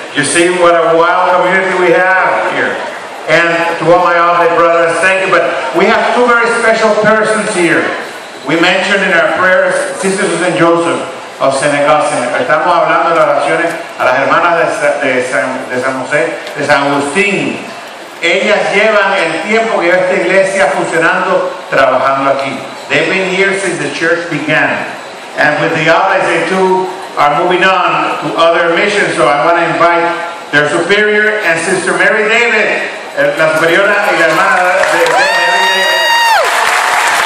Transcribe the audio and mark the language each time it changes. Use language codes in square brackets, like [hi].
[en] You see what a wild community we have here. And to all my other brothers, thank you. But we have two very special persons here. We mentioned in our prayers Sister Susan Joseph of St. Augustine. [es] Estamos hablando de las oraciones a las hermanas de San Agustín. Ellas llevan el tiempo que esta iglesia funcionando, trabajando aquí. [en] They've been here since the church began. And with the Oblates, they too are moving on to other missions. So I want to invite their superior and Sister Mary David, [es] la superiora y la hermana de Mary David. [en] Thank you. Thank you.